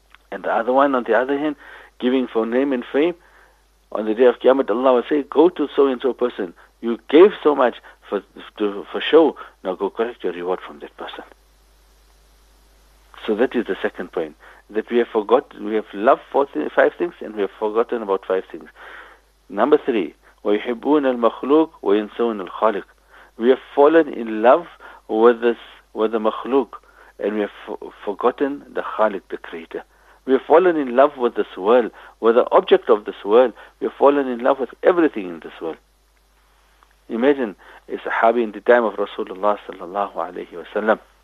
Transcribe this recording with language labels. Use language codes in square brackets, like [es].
[en] And the other one, on the other hand, giving for name and fame, on the day of Qiyamah, Allah will say, go to so-and-so person. You gave so much for show. Now go collect your reward from that person. So that is the second point. That we have forgotten, we have loved five things and we have forgotten about five things. Number three, [ar] وَيُحِبُّونَ الْمَخْلُوقُ وَيَنْسَوْنَ الْخَالِقُ. [en] We have fallen in love with the makhluq and we have forgotten the khaliq, the creator. We have fallen in love with this world, with the object of this world. We have fallen in love with everything in this world. Imagine a sahabi in the time of Rasulullah sallallahu alayhi wa sallam.